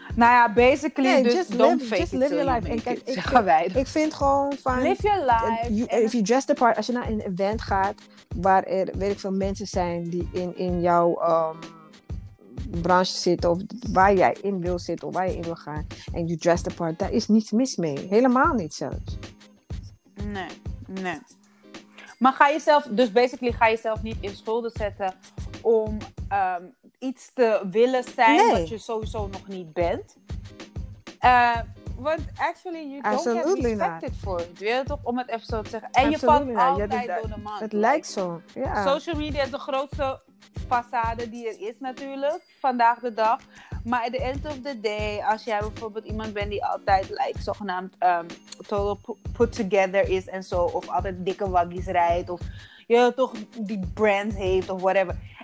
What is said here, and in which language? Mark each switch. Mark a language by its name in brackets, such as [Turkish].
[Dutch] Nou ja, [English] basically, [Dutch] nee, dus [English] don't fake it till you make it. [Dutch] Ik vind gewoon van... [English] Live your life. If you dress the part, [Dutch] als je naar een event gaat, waar er, weet ik veel, mensen zijn die in jouw branche zitten, of waar jij in wil zitten, of waar je in wil gaan, en [English] you dress the part, [Dutch] daar is niets mis mee. Helemaal niet zelfs. Nee, nee. Maar ga jezelf, dus basically ga jezelf niet in schulden zetten om iets te willen zijn wat je sowieso nog niet bent. [English] Want actually, you absolutely don't get respected for it. [Dutch] Je wilt toch, om het even zo te zeggen. En absolutely je valt altijd door de man. Het lijkt zo, ja. Yeah. Social media is de grootste façade die er is natuurlijk, vandaag de dag. Maar [English] at the end of the day, [Dutch] als jij bijvoorbeeld iemand bent die altijd like, zogenaamd [English] total put together [Dutch] is en zo, of altijd dikke waggies rijdt, of je toch die brand heeft of whatever.